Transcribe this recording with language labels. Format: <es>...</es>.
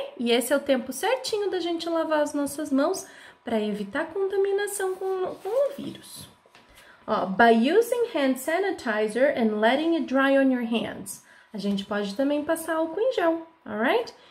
<pt>E esse é o tempo certinho da gente lavar as nossas mãos para evitar contaminação com o vírus.</pt> <en>Ó, by using hand sanitizer and letting it dry on your hands.</en> <pt>A gente pode também passar álcool em gel,</pt> <en>alright?</en>